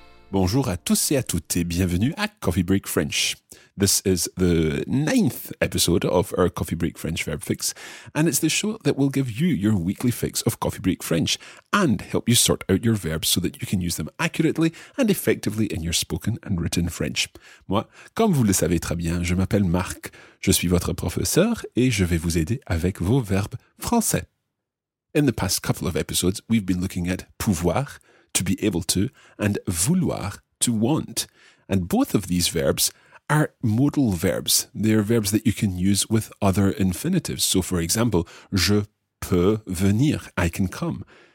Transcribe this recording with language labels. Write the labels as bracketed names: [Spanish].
[French] Bonjour à tous et à toutes et bienvenue à Coffee Break French. [English] This is the 9th episode of our Coffee Break French Verb Fix, and it's the show that will give you your weekly fix of Coffee Break French and help you sort out your verbs so that you can use them accurately and effectively in your spoken and written French. [French] Moi, comme vous le savez très bien, je m'appelle Marc, je suis votre professeur et je vais vous aider avec vos verbes français. [English] In the past couple of episodes, we've been looking at pouvoir, to be able to, and vouloir, to want. And both of these verbs are modal verbs. They are verbs that you can use with other infinitives. So, for example, [French] je peux venir, [English] I can come.